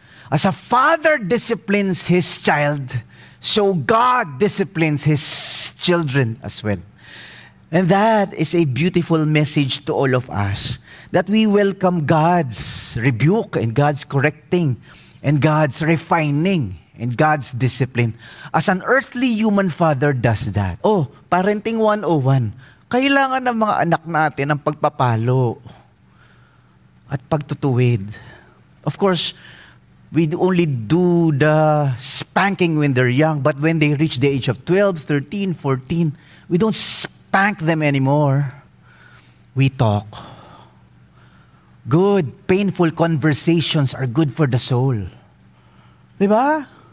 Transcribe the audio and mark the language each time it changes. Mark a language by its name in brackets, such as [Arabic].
[English] As a father disciplines his child, so God disciplines his children as well. And that is a beautiful message to all of us, that we welcome God's rebuke and God's correcting and God's refining and God's discipline as an earthly human father does that. Oh, parenting 101. [Filipino] Kailangan ng mga anak natin ang pagpapalo at pagtutuwid. [English] Of course, we only do the spanking when they're young, but when they reach the age of 12, 13, 14, we don't spank them anymore. We talk. Good, painful conversations are good for the soul. Diba?